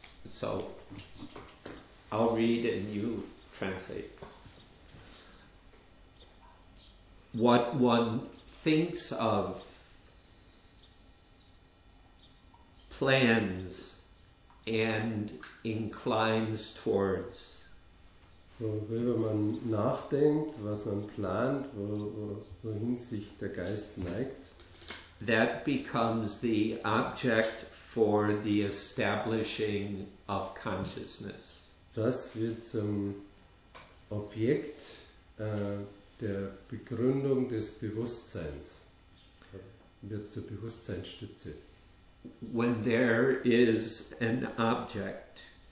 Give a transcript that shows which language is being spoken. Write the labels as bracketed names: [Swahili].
[English] So I'll read and you translate. What one thinks of, plans, and inclines towards. [German] Worüber man nachdenkt, was man plant, wohin sich der Geist neigt. [English] That becomes the object for the establishing of consciousness. [German] Das wird zum Objekt der Begründung des Bewusstseins. Wird zur Bewusstseinsstütze. [English] When there is an object,